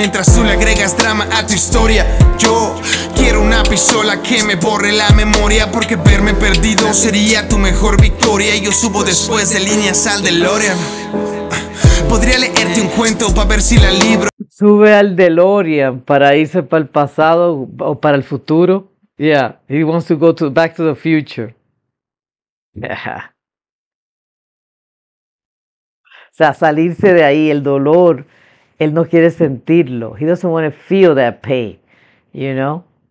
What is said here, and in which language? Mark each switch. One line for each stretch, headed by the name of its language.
Spanish: Mientras tú le agregas drama a tu historia, yo quiero una pistola que me borre la memoria, porque verme perdido sería tu mejor victoria. Yo subo después de líneas al DeLorean. Podría leerte un cuento para ver si la libro. Sube al DeLorean para irse para el pasado o para el futuro.
English: Yeah, he wants to go to back to the future. Yeah.
Spanish: O sea, salirse de ahí, el dolor, él no quiere sentirlo.
English: He doesn't want to feel that pain, you know?